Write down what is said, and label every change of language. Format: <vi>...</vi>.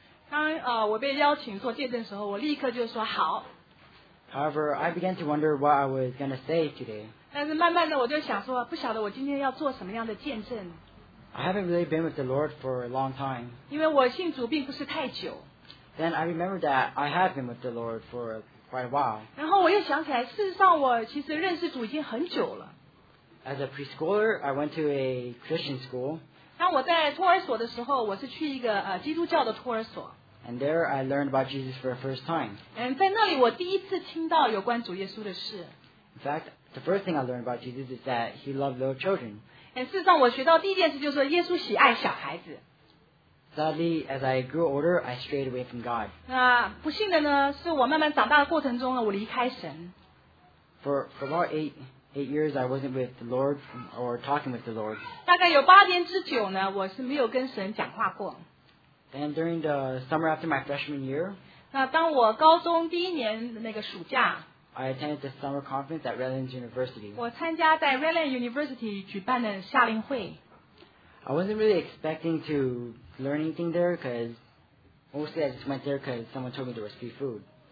<zh>当我被邀请做见证的时候，我立刻就说好。</zh> <en>However, I began to wonder what I was going to say today.</en> <zh>但是慢慢的我就想说，不晓得我今天要做什么样的见证。</zh> <en>I haven't really been with the Lord for a long time.</en> <zh>因为我信主并不是太久。</zh> <en>Then I remembered that I have been with the Lord for quite a while.</en> <zh>然后我又想起来，事实上我其实认识主已经很久了。</zh> <en>As a preschooler, I went to a Christian school.</en> <zh>当我在托儿所的时候，我是去一个基督教的托儿所。</zh> <en>And there I learned about Jesus for the first time.</en> <zh>在那里我第一次听到有关主耶稣的事。</zh> <en>In fact, the first thing I learned about Jesus is that he loved little children.</en> <zh>事实上我学到第一件事就是耶稣喜爱小孩子。</zh> <en>Sadly, as I grew older, I strayed away from God.</en> <zh>不幸的呢，是我慢慢长大的过程中呢，我离开神。</zh> <en>For about eight years, I wasn't with the Lord or talking with the Lord.</en> <zh>大概有八年之久呢，我是没有跟神讲话过。</zh> <en>And during the summer after my freshman year,</en> <zh>那当我高中第一年的那个暑假，</zh> <en>I attended the summer conference at Redlands University.</en> <zh>我参加在 Redlands University 举办的夏令会。</zh> <en>I wasn't really expecting to learn anything there because mostly I just went there because someone told me there was free food.</en>